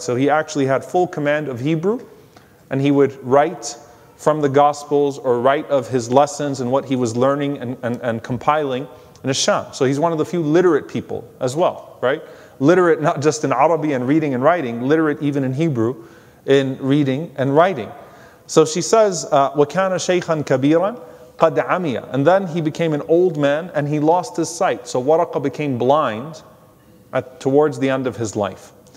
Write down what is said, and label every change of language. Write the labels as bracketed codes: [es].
[en] So he actually had full command of Hebrew, and he would write from the Gospels or write of his lessons and what he was learning and compiling in Sham. So he's one of the few literate people as well, right? Literate not just in Arabic and reading and writing, literate even in Hebrew in reading and writing. [ar] So she says, وَكَانَ شَيْخًا كَبِيرًا قَدْ عَمِيَ. [en] And then he became an old man and he lost his sight. So Waraqa became blind towards the end of his life.